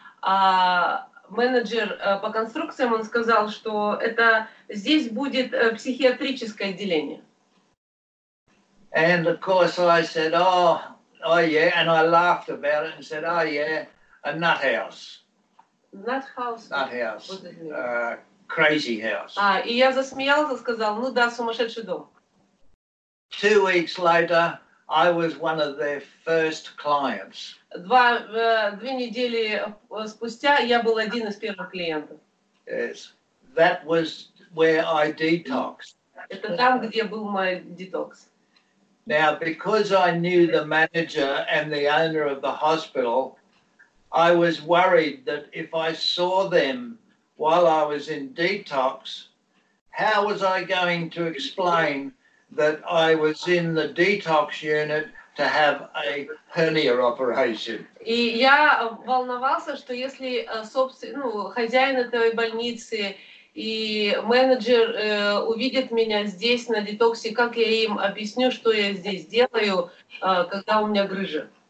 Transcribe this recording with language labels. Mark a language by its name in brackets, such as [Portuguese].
[Russian] А менеджер по конструкциям, он сказал, что это здесь будет психиатрическое отделение. [English] And of course I said, oh yeah, and I laughed about it and said, oh yeah, a nut house. Nut house? Nut house. Crazy house. [Russian] А, и я засмеялся, сказал, ну да, сумасшедший дом. [English] 2 weeks later, I was one of their first clients. [Russian] Две недели спустя я был один из первых клиентов. [English] That was where I detoxed. [Russian] Это там, где был мой детокс. [English] Now, because I knew the manager and the owner of the hospital, I was worried that if I saw them while I was in detox, how was I going to explain that I was in the detox unit to have a hernia operation? [Russian] И я волновался, что если собственно, хозяин этой больницы и менеджер увидит меня здесь на детоксе, как я им объясню, что я здесь делаю, когда у меня грыжа?